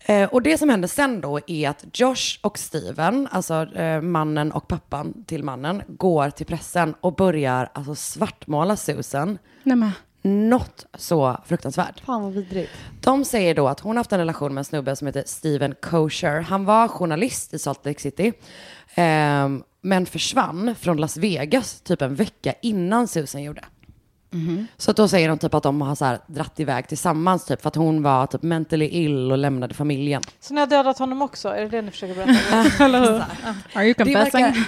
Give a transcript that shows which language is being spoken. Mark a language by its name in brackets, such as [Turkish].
[Swedish] Och det som hände sen då är att Josh och Steven, alltså mannen och pappan till mannen, går till pressen och börjar alltså svartmåla Susan. Nämen. Något så fruktansvärt. Fan vad vidrigt. De säger då att hon haft en relation med en snubbe som heter Steven Kosher. Han var journalist i Salt Lake City. Men försvann från Las Vegas typ en vecka innan Susan gjorde. Så att då säger de typ att de har så här dratt iväg tillsammans typ för att hon var typ [English] mentally ill [Swedish] och lämnade familjen. Så ni har dödat honom också? Är det det ni försöker berätta? [English] Are you confessing?